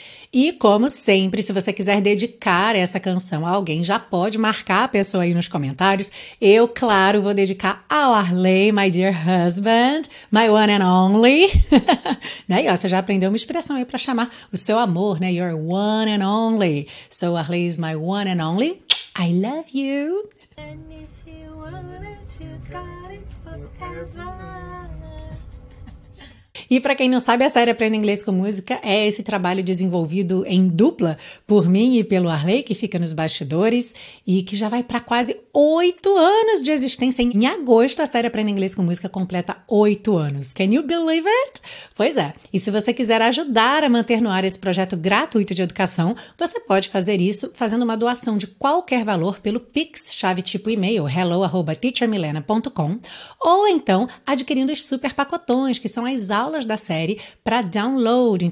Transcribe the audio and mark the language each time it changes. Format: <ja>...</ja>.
<pt>E como sempre, se você quiser dedicar essa canção a alguém, já pode marcar a pessoa aí nos comentários. Eu, claro, vou dedicar ao Arley,</pt> <en>my dear husband, my one and only.</en> <pt>Né? E ó, você já aprendeu uma expressão aí para chamar o seu amor, né?</pt> <en>Your one and only. So Arley is my one and only. I love you. And if you want it, you got it forever.</en> <pt>E para quem não sabe, a série Aprenda Inglês com Música é esse trabalho desenvolvido em dupla por mim e pelo Arley, que fica nos bastidores, e que já vai para quase 8 anos de existência. Em agosto, a série Aprenda Inglês com Música completa 8 anos.</pt> <en>Can you believe it?</en> <pt>Pois é. E se você quiser ajudar a manter no ar esse projeto gratuito de educação, você pode fazer isso fazendo uma doação de qualquer valor pelo Pix, chave tipo e-mail, hello@teachermilena.com, ou então adquirindo os super pacotões, que são as aulas da série para download.</pt>